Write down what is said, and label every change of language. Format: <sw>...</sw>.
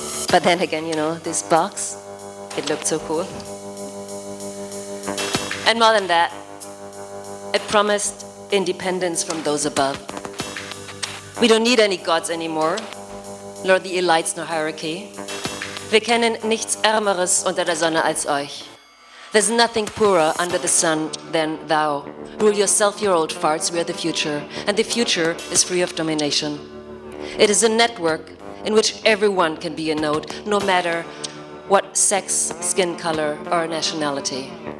<en>But then again, you know, this box, it looked so cool. And more than that, it promised independence from those above. We don't need any gods anymore, nor the elites, nor hierarchy.</en> <de>Wir kennen nichts Ärmeres unter der Sonne als euch.</de> <en>There's nothing poorer under the sun than thou. Rule yourself, your old farts, we are the future, and the future is free of domination. It is a network in which everyone can be a node, no matter what sex, skin color, or nationality.</en>